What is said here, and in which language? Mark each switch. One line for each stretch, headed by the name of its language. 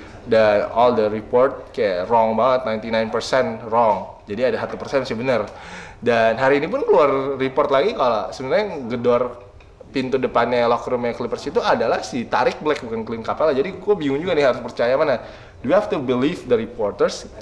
English: Dan all the report kayak wrong banget, 99% wrong.
Indonesian: Jadi ada 1% sih benar. Dan hari ini pun keluar report lagi kalau sebenarnya gedor pintu depannya locker roomnya Clippers itu adalah si Tarik Black, bukan Clint Capela. Jadi gue bingung juga nih harus percaya mana.
English: Do you have to believe the reporters?